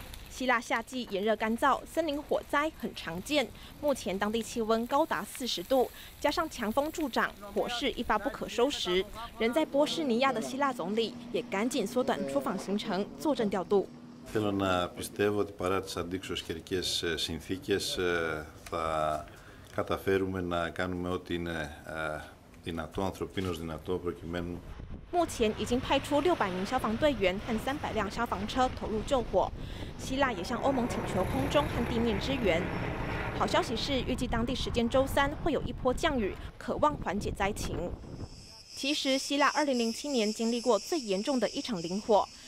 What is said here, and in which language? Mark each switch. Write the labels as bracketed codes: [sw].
[zh] 希腊夏季炎热干燥，森林火灾很常见。目前当地气温高达40度，加上强风助长，火势一发不可收拾。人在波士尼亚的希腊总理也赶紧缩短出访行程，坐镇调度。 [el] Θέλω να πιστεύω ότι παρά τις αντίξωες καιρικές συνθήκες θα καταφέρουμε να κάνουμε ό,τι είναι δυνατό, ανθρωπίνως δυνατό, προκειμένου. [zh] 目前已经派出600名消防队员和300辆消防车投入救火。希腊也向欧盟请求空中和地面支援。好消息是，预计当地时间周三会有一波降雨，渴望缓解灾情。其实，希腊2007年经历过最严重的一场林火。